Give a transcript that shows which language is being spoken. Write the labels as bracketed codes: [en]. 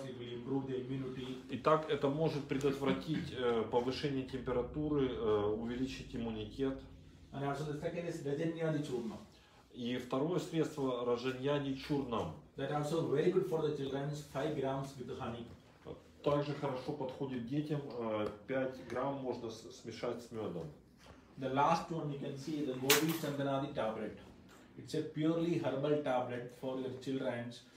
[en] It will improve the immunity. [ru] Итак, это может предотвратить повышение температуры, увеличить иммунитет. [en] And also the second is Rajanyadi Churnam. [ru] И второе средство Rajanyadi Churnam. [en] That also very good for the children. 5 grams with the honey. [ru] Также хорошо подходит детям. 5 грамм можно смешать с медом. [en] The last one you can see the Gopi Chandanadi tablet. It's a purely herbal tablet for your children.